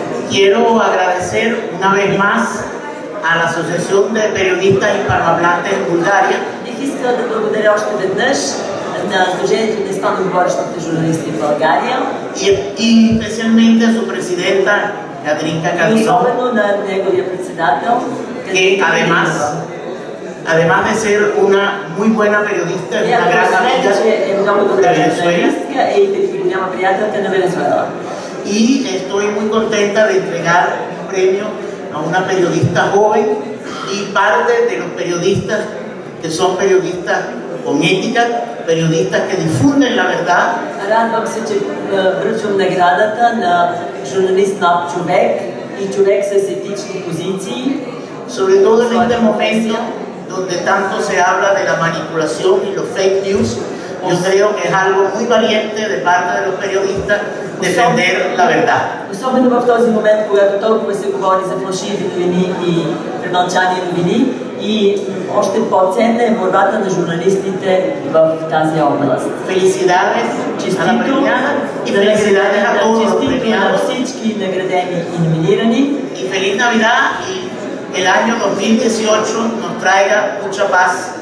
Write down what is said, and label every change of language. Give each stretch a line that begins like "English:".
Spanish: Quiero agradecer una vez más a la Asociación de Periodistas Hispanohablantes en Bulgaria.
Bulgarian: Искам да благодаря още веднъж на Сдружението на испаноговорящите журналисти в България.
Spanish: И специалмente a su presidenta, Катринка Катсон.
Bulgarian: И особено на неговия председател.
Spanish: Que además de ser una muy buena periodista, una gran amiga de Venezuela.
Bulgarian: Е много добра журналистка и голяма приятелка на Венесуела.
Spanish: Y estoy muy contenta de entregar un premio a una periodista joven y parte de los periodistas que son periodistas con ética, periodistas que difunden la verdad.
Bulgarian: Радвам се, че връчвам наградата на журналист на човек и човек с етични позиции.
Spanish: Sobre todo en este momento donde tanto se habla de la manipulación y los fake news, yo creo que es algo muy valiente de parte de los periodistas defender la verdad.
Bulgarian: Особено в този момент, когато толкова се говори за фалшиви новини и премълчани новини, и още по-ценна е борбата на журналистите в тази област.
Spanish: Felicidades, честито, a la premiada, a todos
Bulgarian: честито на всички наградени и номинирани.
Spanish: И Feliz Navidad и el año 2018 nos traiga mucha paz.